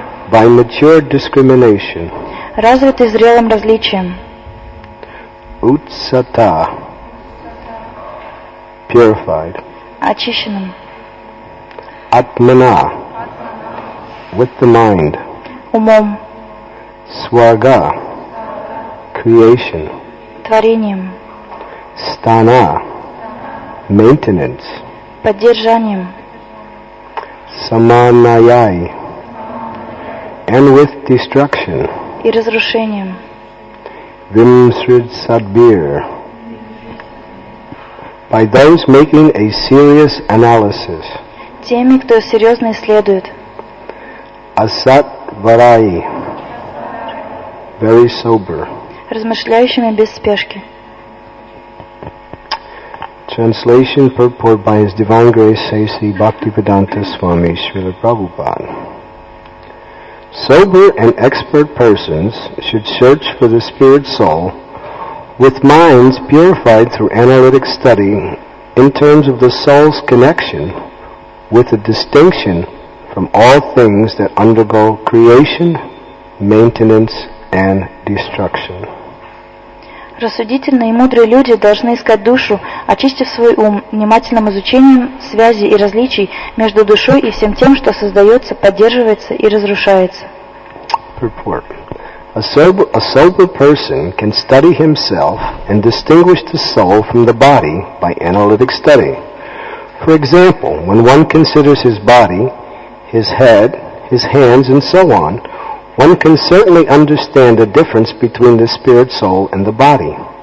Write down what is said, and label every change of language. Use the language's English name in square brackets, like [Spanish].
[English] By mature discrimination. [Russian] Развитый зрелым различием. [Sanskrit] Utsata. [English] Purified. [Russian] Очищенным. [English] Atmana, with the mind. [Russian] Умом. [English] Swaga, creation. [Russian] Творением. [English] Stana, maintenance. [Russian] Поддержанием. [English] Samanayai, and with destruction. [Russian] И разрушением. [English] Vimsridsadbir, by those making a serious analysis. [Russian] Теми, кто серьезно исследует. [Sanskrit] Асат варай. [English] Very sober. [Russian] Размышляющими без спешки. [English] Translation purport by His Divine Grace, says the Bhaktivedanta Swami Srila Prabhupada. Sober and expert persons should search for the spirit soul with minds purified through analytic study in terms of the soul's connection with a distinction from all things that undergo creation, maintenance, and destruction. [Russian] Рассудительные и мудрые люди должны искать душу, очистив свой ум внимательным изучением связей и различий между душой и всем тем, что создается, поддерживается и разрушается. [English] Purport. A sober person can study himself and distinguish the soul from the body by analytic study. For example, when one considers his body, his head, his hands, and so on, one can certainly understand the difference between the spirit soul and the body.